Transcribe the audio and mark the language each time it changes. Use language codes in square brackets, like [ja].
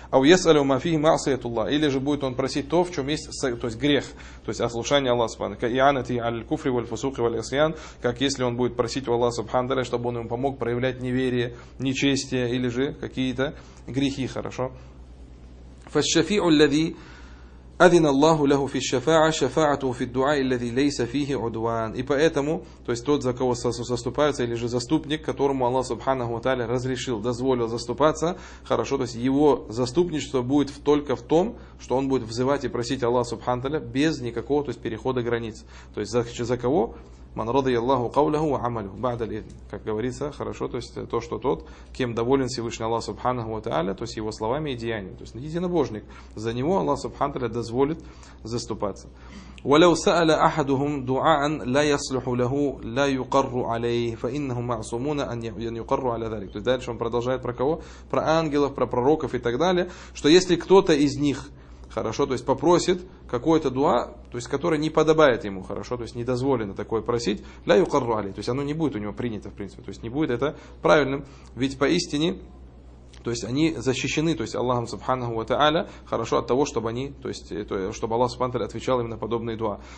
[ru] أو يسأل ما فيه معصية الله или же будет он просить то, в чем есть, то есть грех, то есть ослушание Аллаха Субхану, كإعانتي على الكفر والفسوق والعصيان, как если он будет просить у Аллаха Субхану Тааля, чтобы он ему помог проявлять неверие, нечестие или же какие-то грехи, хорошо. [ar] فالشفيع الذي أذن الله له في الشفاعة شفاعته في الدعاء الذي ليس فيه عدوان. [ru] И поэтому, то есть тот, за кого заступается, или же заступник, которому Аллах Субханаху ва Тааля разрешил, дозволил заступаться, хорошо, то есть его заступничество будет только в том, что он будет взывать и просить Аллаха Субханаху ва Тааля без никакого, то есть перехода границ. То есть за кого? Ман радия Аллаху каулаху ва амалюху баъда аль-идн. Как говорится, хорошо, то есть то, что тот, кем доволен Всевышний Аллах Субханаху ва Тааля, то есть его словами и деяниями. То есть единобожник. За него Аллах Субханаху ва Тааля дозволит заступаться. [ar] ولو سأل أحدهم دعاء لا يصلح له لا يقر عليه فإنهم معصومون أن يقروا على ذلك. [ru] То есть дальше он продолжает про кого? Про ангелов, про пророков и так далее. Что если кто-то из них, хорошо, то есть попросит какое-то дуа, то есть которое не подобает ему, хорошо, то есть не дозволено такое просить, ля юкарру али, то есть оно не будет у него принято, в принципе, то есть не будет это правильным. Ведь поистине, то есть они защищены, то есть Аллахом Субханаху ва Тааля, хорошо, от того, чтобы они, то есть это, чтобы Аллах Субхану Тааля отвечал им на подобные дуа.